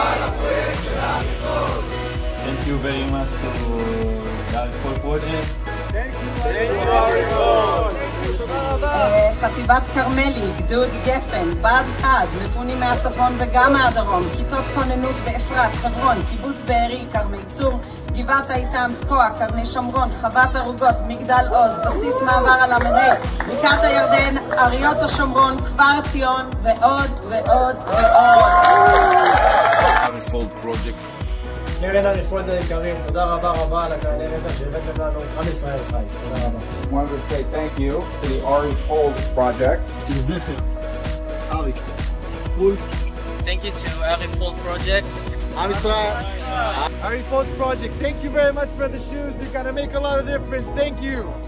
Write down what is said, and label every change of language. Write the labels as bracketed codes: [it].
[en] Thank you very much to Ari Fuld Project. Thank you, Ari Fuld. [he] חטיבת כרמלי, גדוד גפן, בד חד, מפונים מהצפון וגם מהדרום, כיתות כוננות באפרת, חברון, קיבוץ בארי, כרמי צור, גבעת איתן, תקוע, קרני שומרון, חוות ארוגות, מגדל עוז, בסיס מעבר על המנהל, בקעת הירדן, אריות השומרון, כפר ציון, ועוד ועוד ועוד. [en] Ari Fuld Project. [he] קרן ארי פולד היקרים, תודה רבה רבה על הקרני רצח שהבאתם לנו. עם ישראל חי, תודה רבה. [en] I wanted to say thank you to the Ari Fuld Project. To Zichir, Ari Fuld. Thank you to Ari Fuld Project. I'm Israel. Ari Fuld Project, thank you very much for the shoes. You're gonna make a lot of difference. Thank you.